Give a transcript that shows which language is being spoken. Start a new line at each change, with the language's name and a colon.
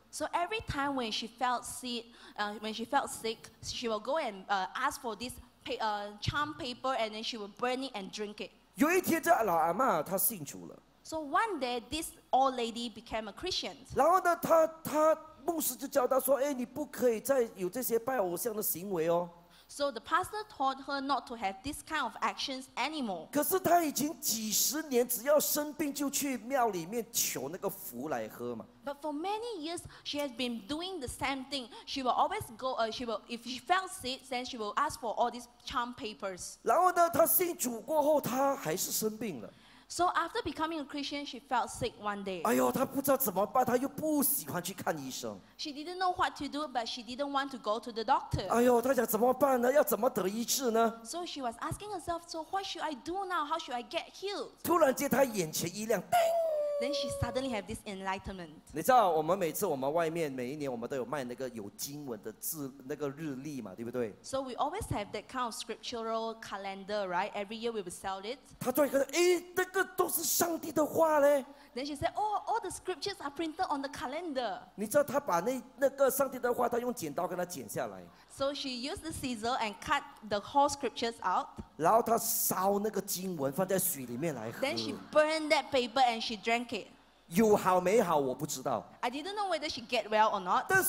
English: So every time when she felt sick, she will go and ask for this charm paper, and then she will burn it and drink it.
Chinese: 有一天，这老阿嬷她信主了。
English: So one day this old lady became a Christian.
Chinese: 然后呢，她牧师就教她说：“哎，你不可以再有这些拜偶像的行为哦。”
English: So the pastor taught her not to have this kind of actions anymore.
Chinese: 可是她已经几十年，只要生病就去庙里面求那个符来喝嘛。
English: But for many years, she has been doing the same thing. She will always go, if she felt sick, then she will ask for all these charm papers.
Chinese: 然后呢，她信主过后，她还是生病了。
English: So after becoming a Christian, she felt sick one day.
Chinese: 哎呦，她不知道怎么办，她又不喜欢去看医生。
English: She didn't know what to do, but she didn't want to go to the doctor.
Chinese: 哎呦，她想怎么办呢？要怎么得医治呢？
English: So she was asking herself, so what should I do now? How should I get healed?
Chinese: 突然间她眼前一亮, ding!
English: Then she suddenly had this enlightenment.
Chinese: 你知道我们每次我们外面每一年我们都有卖那个有经文的字那个日历嘛，对不对？
English: So we always have that kind of scriptural calendar, right? Every year we will sell it.
Chinese: 她突然觉得，哎，那个都是上帝的话嘞。
English: Then she said, oh, all the scriptures are printed on the calendar.
Chinese: 你知道她把那个上帝的话，她用剪刀给它剪下来。
English: So she used the scissor and cut the whole scriptures out.
Chinese: 然后她烧那个经文放在水里面来喝。
English: Then she burned that paper and she drank it.
Chinese: 有好没好我不知道。
English: I didn't know whether she get well or not.